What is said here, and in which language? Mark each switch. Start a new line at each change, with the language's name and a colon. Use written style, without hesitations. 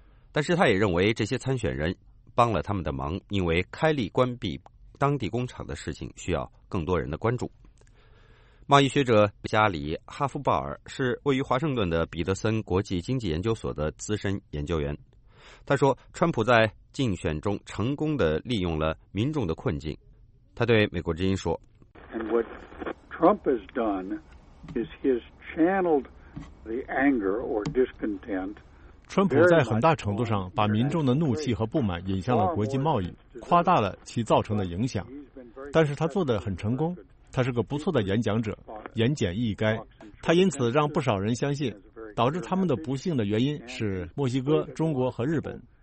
Chinese: 但是他也认为这些参选人帮了他们的忙，因为开利关闭当地工厂的事情需要更多人的关注。贸易学者加里·哈夫鲍尔是位于华盛顿的彼得森国际经济研究所的资深研究员，他说川普在竞选中成功地利用了民众的困境。他对美国之音说，
English: And what Trump has done is he has channeled the anger or discontent.
Chinese: 川普在很大程度上把民众的怒气和不满引向了国际贸易，夸大了其造成的影响。但是他做得很成功，他是个不错的演讲者，言简意赅。他因此让不少人相信，导致他们的不幸的原因是墨西哥、中国和日本。